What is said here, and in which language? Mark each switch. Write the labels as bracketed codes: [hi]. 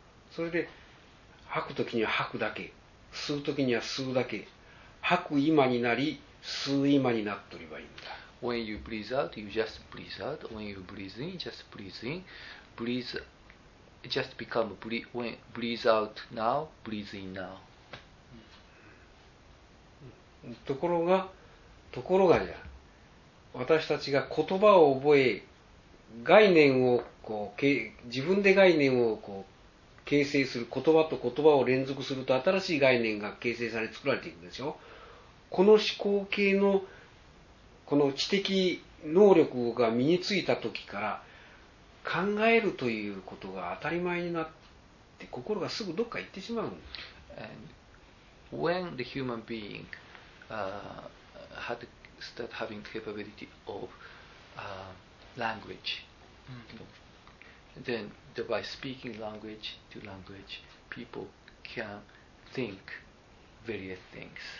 [ja] それで吐くときには吐くだけ、吸うときには吸うだけ、吐く今になり吸う今になっとればいいんだ。 [en] When you breathe out, you just breathe out. When you breathe in, just breathe in. Breathe outJust become breathe out now, breathe in now. [ja] ところがじゃ、私たちが言葉を覚え、概念をこう自分で概念をこう形成する、言葉と言葉を連続すると新しい概念が形成され作られていくんですよ。この思考系のこの知的能力が身についた時から。考えるということが当たり前になって心がすぐどっか行ってしまう。 [en] And when the human being had start having capability of language, then by speaking language to language, people can think various things.